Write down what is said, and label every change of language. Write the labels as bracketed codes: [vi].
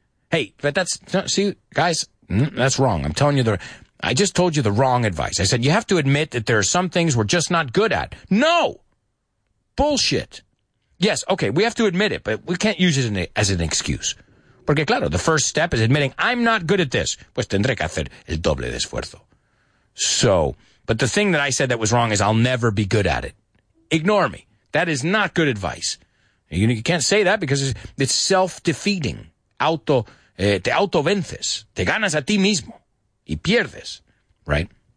[en] Hey, but that's, see, guys. That's wrong. I'm telling you I just told you the wrong advice. I said, you have to admit that there are some things we're just not good at. No! Bullshit. Yes, okay, we have to admit it, but we can't use it as an excuse. [es] Porque claro, [en] the first step is admitting, I'm not good at this. [es] Pues tendré que hacer el doble de esfuerzo. [en] So, but the thing that I said that was wrong is I'll never be good at it. Ignore me. That is not good advice. You can't say that because it's self-defeating. [es] te autovences, te ganas a ti mismo y pierdes, right?